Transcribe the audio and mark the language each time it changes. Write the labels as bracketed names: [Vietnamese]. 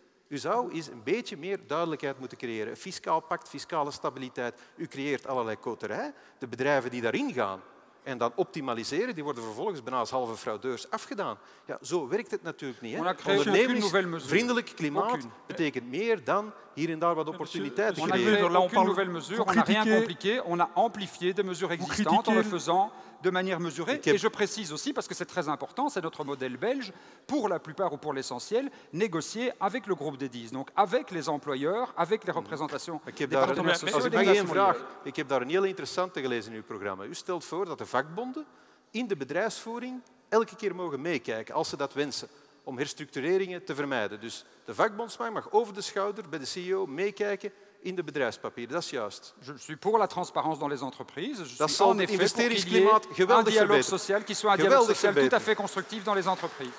[Dutch] U zou eens een beetje meer duidelijkheid moeten creëren. Een fiscaal pact, fiscale stabiliteit. U creëert allerlei koterij. De bedrijven die daarin gaan, en dan optimaliseren, die worden vervolgens bijna als halve fraudeurs afgedaan. Ja, zo werkt het natuurlijk niet. Ondernemingsvriendelijk klimaat betekent meer dan hier en daar wat opportuniteiten creëren. [French] On a amplifié des mesures existantes en le faisant de manière mesurée. Et je précise aussi, parce que c'est très important, c'est notre modèle belge, pour la plupart ou pour l'essentiel, négocié avec le groupe des 10, donc avec les employeurs, avec les représentations des partenaires sociaux. [Dutch] Ik heb daar een vraag. Ik heb daar een heel interessante gelezen in uw programma. U stelt voor dat de vakbonden in de bedrijfsvoering elke keer mogen meekijken, als ze dat wensen, om herstructureringen te vermijden. Dus de vakbondsmacht mag over de schouder bij de CEO meekijken in de bedrijfspapier, dat is juist. [French] Je suis pour la transparence dans les entreprises. [Dutch] Dat zal het investeringsklimaat geweldig verbeteren. [French] Qui soit un dialogue social tout à fait constructif dans les entreprises.